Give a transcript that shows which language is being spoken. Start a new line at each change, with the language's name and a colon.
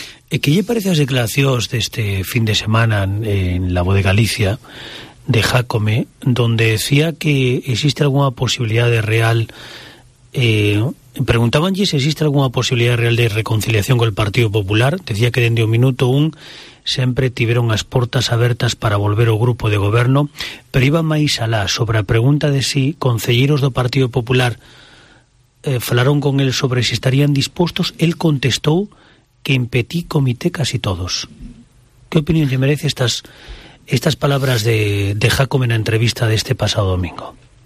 Galician: E que lle parece as declaracións deste fin de semana en La Voz de Galicia de Jácome,
Spanish: donde decía que existe alguna posibilidad de real
Galician: preguntabanlle se existe alguna posibilidad real de reconciliación
Spanish: con el Partido Popular.
Galician: Decía que dende o minuto un sempre tiveron as portas abertas para volver ao grupo de goberno, pero iba máis alá sobre a pregunta de si concelleiros do Partido Popular falaron con él sobre si estarían dispostos.
Spanish: Él contestó que en petit comité casi todos. ¿Qué opinión le merece estas palabras de Jácome en la entrevista de este pasado domingo?